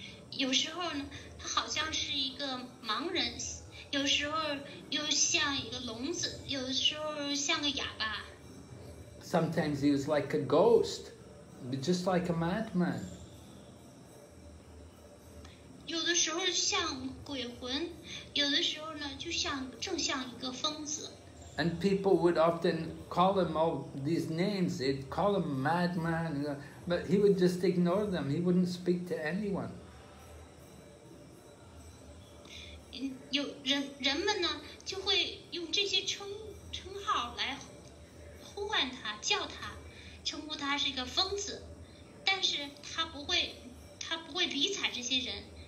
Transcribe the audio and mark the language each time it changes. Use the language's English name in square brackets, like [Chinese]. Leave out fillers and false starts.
[Chinese] 有时候呢，他好像是一个盲人，有时候又像一个聋子，有时候像个哑巴。 [English] Sometimes he was like a ghost, just like a madman. [Chinese] 有的时候像鬼魂，有的时候呢，就像正像一个疯子。 [English] And people would often call him all these names. They'd call him madman, but he would just ignore them. He wouldn't speak to anyone. [Chinese] 有人们呢，就会用这些称号来呼唤他，叫他，称呼他是一个疯子。但是他不会理睬这些人。